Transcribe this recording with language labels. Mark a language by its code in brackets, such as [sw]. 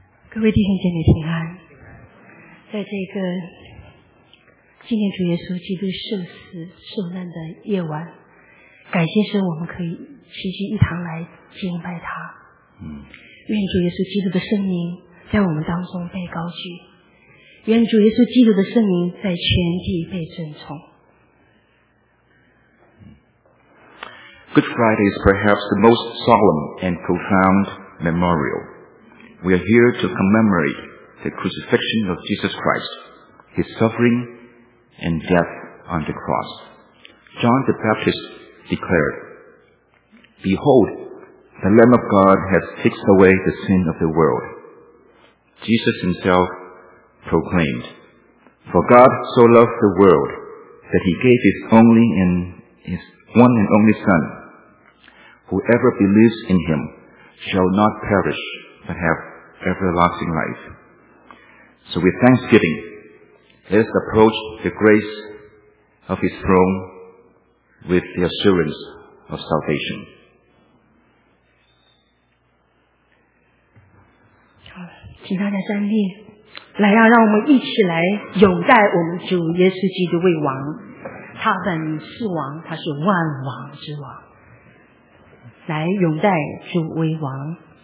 [zh] 各位弟兄姐妹平安，在这个纪念主耶稣基督受死受难的夜晚，感谢神，我们可以齐聚一堂来敬拜他。愿主耶稣基督的圣名在我们当中被高举，愿主耶稣基督的圣名在全地被尊崇。 [en] Good Friday is perhaps the most solemn and profound memorial. We are here to commemorate the crucifixion of Jesus Christ, his suffering and death on the cross. John the Baptist declared, Behold, the Lamb of God has taken away the sin of the world. Jesus himself proclaimed, For God so loved the world that he gave his one and only Son. Whoever believes in him shall not perish, but have everlasting life. So with thanksgiving, let us approach the grace of his throne with the assurance of salvation. [zh] 请大家站立，来啊，让我们一起来拥戴我们主耶稣基督为王，他本是王，他是万王之王，来拥戴主为王。